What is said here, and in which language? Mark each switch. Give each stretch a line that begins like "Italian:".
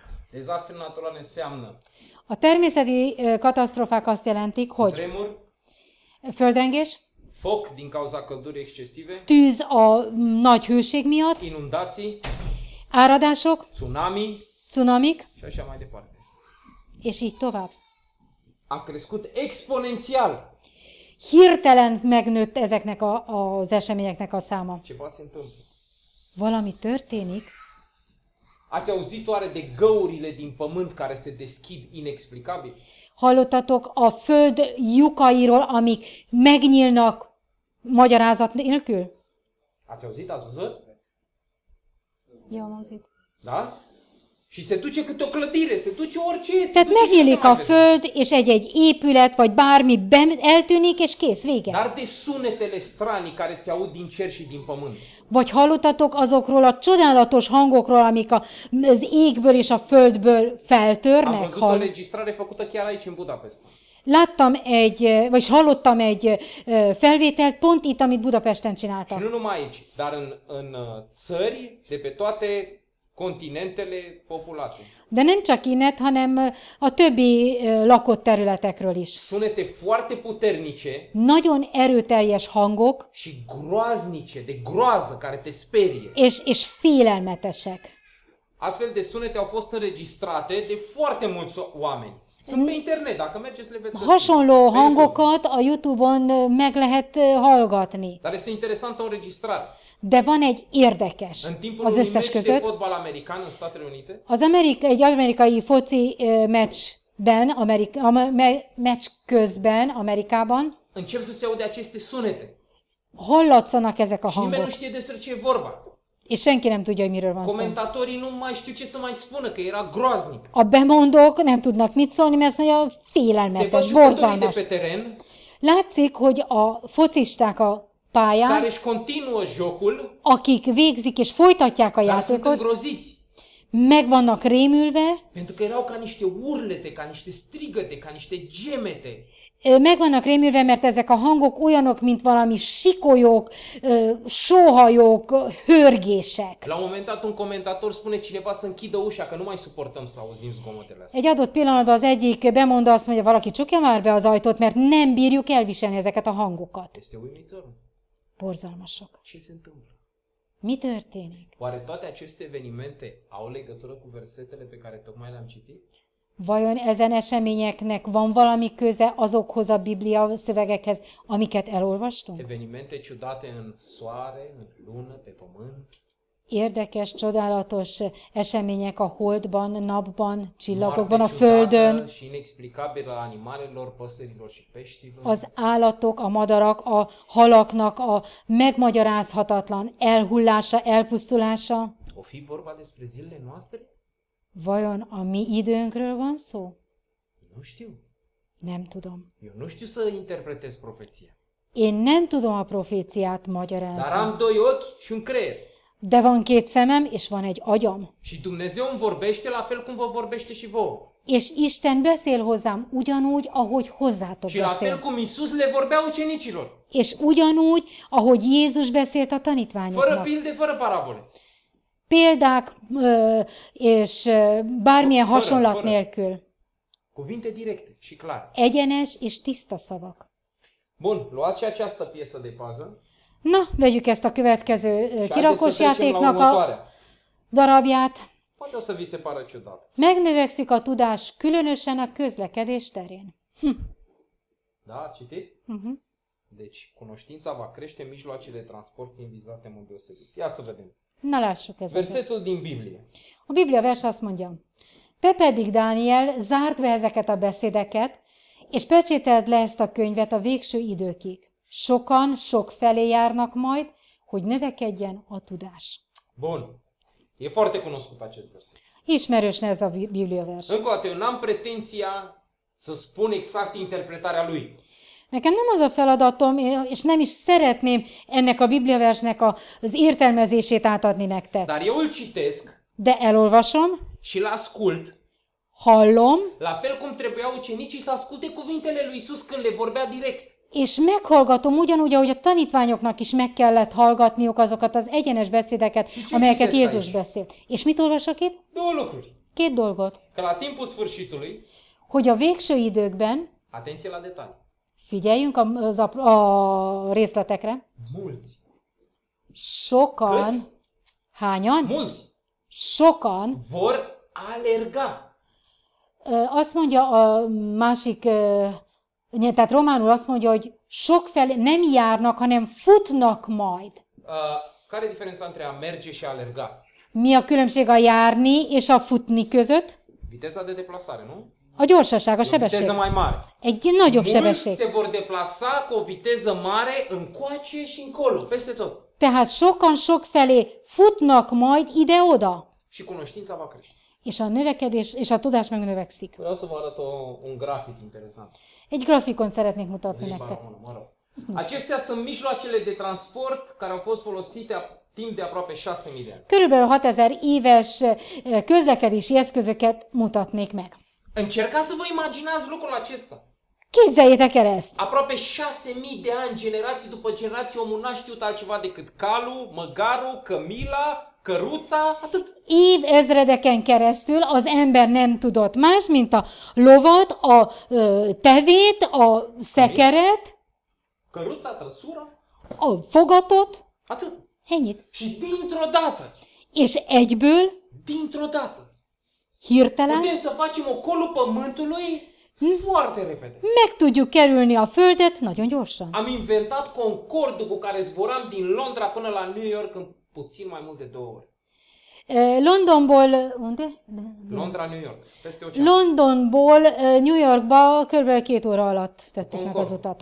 Romanian: Dezastre naturale înseamnă.
Hungarian: A természeti katasztrofák azt jelentik, hogy
Romanian: tremur,
Hungarian: földrengés,
Romanian: foc din cauza căldurii excesive,
Hungarian: tűz a nagy hőség miatt,
Romanian: inundații,
Hungarian: áradások,
Romanian: tsunami,
Hungarian: tsunamik,
Romanian: și așa mai departe.
Hungarian: És így tovább.
Romanian: A crescut exponențial.
Hungarian: Hirtelen megnőtt ezeknek az eseményeknek a száma.
Romanian: Ce poate se întâmplă?
Hungarian: Valami történik.
Romanian: Ați auzit oare de găurile din pământ care se deschid inexplicabil?
Hungarian: Hallottatok a föld lyukairól, amik megnyílnak magyarázat nélkül?
Romanian: Ați auzit, ați auzit?
Hungarian: Jó, auzit.
Romanian: Da? Și se duce câte o clădire, se duce orice.
Hungarian: Tehát megnyílik a föld, és egy-egy épület, vagy bármi eltűnik, és kész, vége.
Romanian: Dar de sunetele strani, care se aud din cer și din pământ.
Hungarian: Vagy hallottatok azokról a csodálatos hangokról, amik az égből és a földből feltörnek?
Romanian: Am văzut o registrare făcută chiar aici, în Budapest.
Hungarian: Láttam egy, vagy hallottam egy felvételt pont itt, amit Budapesten csináltak.
Romanian: Și nu numai aici, dar în țări, de pe toate continentele populate.
Hungarian: De nem csak innet, hanem a többi lakott területekről is.
Romanian: Sunete foarte puternice.
Hungarian: Nagyon erőteljes hangok.
Romanian: Și groaznice, de groază, care te sperie.
Hungarian: És félelmetesek.
Romanian: Astfel de sunete au fost înregistrate de foarte mulți oameni. Sunt pe internet, dacă mergeți le veți.
Hungarian: Hasonló hangokat a YouTube-on meg lehet hallgatni.
Romanian: Dar este interesantă o înregistrare.
Hungarian: De van egy érdekes az összes között. Az egy amerikai foci meccsben, meccs közben Amerikában
Romanian: încep să se aude aceste sunete.
Hungarian: Hallatszanak ezek a hangok.
Romanian: Nimeni nu știe despre ce e vorba.
Hungarian: És senki nem tudja, hogy miről van szó.
Romanian: Komentatorii nu mai știu ce să mai spună, că era groaznic.
Hungarian: A bemondók nem tudnak mit szólni, mert mondja, félelmetes, borzalmas.
Romanian: Se văd jucătorii de pe teren.
Hungarian: Látszik, hogy a focisták a pályán,
Romanian: care își continuă jocul,
Hungarian: akik végzik és folytatják a játékot, meg vannak rémülve,
Romanian: pentru că erau ca niște urlete, ca niște strigăte, ca niște gemete.
Hungarian: Meg vannak rémülve, mert ezek a hangok olyanok, mint valami sikolyok, sóhajok, hörgések.
Romanian: La un moment dat un comentator spune cineva să închidă ușa, că nu mai suportăm să auzim zgomotele astea.
Hungarian: Egy adott pillanatban az egyik bemondó azt mondja, valaki csukja már be az ajtót, mert nem bírjuk elviselni ezeket a hangokat.
Romanian: Este uimitor.
Hungarian: Borzalmasok.
Romanian: Ce se întâmplă?
Hungarian: Mi történik?
Romanian: Oare toate aceste evenimente au legătură cu versetele pe care tocmai le-am citit?
Hungarian: Vajon ezen eseményeknek van valami köze azokhoz a Biblia szövegekhez, amiket elolvastunk?
Romanian: Evenimente ciudate în soare, în lună, pe pământ.
Hungarian: Érdekes, csodálatos események a holdban, napban, csillagokban, a földön.
Romanian: Și inexplicabil animalelor, păsărilor și peștilor.
Hungarian: Az állatok, a madarak, a halaknak a megmagyarázhatatlan elhullása, elpusztulása.
Romanian: O fi vorba despre zilele noastre?
Hungarian: Vajon a mi időnkről van szó?
Romanian: Nu știu.
Hungarian: Nem tudom.
Romanian: Eu nu știu să interpretez profeția.
Hungarian: Én nem tudom a proféciát magyarázni.
Romanian: Dar am doi ochi și un creier.
Hungarian: De van két szemem, és van egy agyam.
Romanian: Și Dumnezeu îmi vorbește la fel cum vă vorbește și vouă.
Hungarian: És Isten beszél hozzám ugyanúgy, ahogy hozzátok
Romanian: și
Hungarian: beszél.
Romanian: La fel cum Iisus le vorbea ucenicilor.
Hungarian: És ugyanúgy, ahogy Jézus beszélt a tanítványoknak.
Romanian: Fără pilde, fără parabole.
Hungarian: Példák és bármilyen fără, hasonlat fără. Nélkül.
Romanian: Cuvinte directe și clare.
Hungarian: Egyenes és tiszta szavak.
Romanian: Bun, luați și această piesă de pază.
Hungarian: Na, vegyük ezt a következő kirakós játéknak a darabját.
Romanian: Poate o să vi se pară ciudat.
Hungarian: Megnövekszik a tudás, különösen a közlekedés terén.
Romanian: Da, citi? Deci, cunoștința va crește în mijloacele de transport vizate în mod deosebit. Ia să vedem.
Hungarian: Na, lássuk ezeket.
Romanian: Versetul din Biblie.
Hungarian: A Biblia vers azt mondja. Te pedig, Dániel, zárd be ezeket a beszédeket, és pecsételd le ezt a könyvet a végső időkig. Sokan sok felé járnak majd, hogy növekedjen a tudás.
Romanian: Bun. E foarte cunoscut acest vers.
Hungarian: Ismerős ez a Biblia vers.
Romanian: Încă o dată, eu n-am pretenția să spun exact interpretarea lui.
Hungarian: Nekem nem az a feladatom, és nem is szeretném ennek a Biblia versnek az értelmezését átadni nektek.
Romanian: Dar eu îl citesc.
Hungarian: De elolvasom.
Romanian: Și l-ascult.
Hungarian: Hallom.
Romanian: La fel cum trebuiau ucenicii să asculte cuvintele lui Iisus când le vorbea direct.
Hungarian: És meghallgatom ugyanúgy, ahogy a tanítványoknak is meg kellett hallgatniuk azokat az egyenes beszédeket, amelyeket Jézus beszélt. És mit olvasok itt?
Romanian: Două lucruri.
Hungarian: Két dolgot.
Romanian: Că la timpul sfârșitului,
Hungarian: hogy a végső időkben,
Romanian: atenție la detalii,
Hungarian: figyeljünk a részletekre,
Romanian: mulți,
Hungarian: sokan,
Romanian: câți?
Hungarian: Hányan,
Romanian: mulți,
Hungarian: sokan,
Romanian: vor alerga.
Hungarian: Azt mondja a másik... Tehát románul azt mondja, hogy sok felé nem járnak, hanem futnak majd.
Romanian: Care diferența între a merge și a alerga?
Hungarian: Mi a különbség a járni és a futni között?
Romanian: Viteza de deplasare, nu?
Hungarian: A gyorsaság, a sebesség.
Romanian: Viteza mai mare.
Hungarian: Egy nagyobb Mulți sebesség.
Romanian: Se vor deplasa cu o viteză mare încoace și încolo, peste tot.
Hungarian: Tehát sokan sok felé futnak majd ide-oda.
Romanian: Și cunoștința va crește.
Hungarian: És a növekedés, és a tudás megnövekszik.
Romanian: Vreau să vă arăt un grafic interesant.
Hungarian: Egy grafikon szeretnék mutatni nektek.
Romanian: Acestea sunt mijloacele de transport care au fost folosite timp de aproape 6000 de ani.
Hungarian: Körülbelül 6000 éves közlekedési eszközöket mutatnék meg.
Romanian: Încercați să vă imaginați lucrul acesta.
Hungarian: Képzeljétek el ezt.
Romanian: Aproape 6000 de ani, generații după generații, omul n-a știut altceva decât calul, măgarul, cămila, căruța, atât.
Hungarian: Év ezredeken keresztül az ember nem tudott más, mint a lovat, a tevét, a szekeret.
Romanian: Căruța, trăsura.
Hungarian: A fogatot.
Romanian: Atât.
Hungarian: Ennyit.
Romanian: Și dintr-o dată.
Hungarian: És egyből.
Romanian: Dintr-o dată.
Hungarian: Hirtelen.
Romanian: Putem să facem ocolul pământului foarte repede.
Hungarian: Meg tudjuk kerülni a földet nagyon gyorsan.
Romanian: Am inventat Concorde-ul cu care zboram din Londra până la New York în puțin mai mult de două ori.
Hungarian: Londonból, unde?
Romanian: Londra, New York. Peste ocean.
Hungarian: Londonból, New Yorkba körülbelül két óra alatt tettük meg az utat.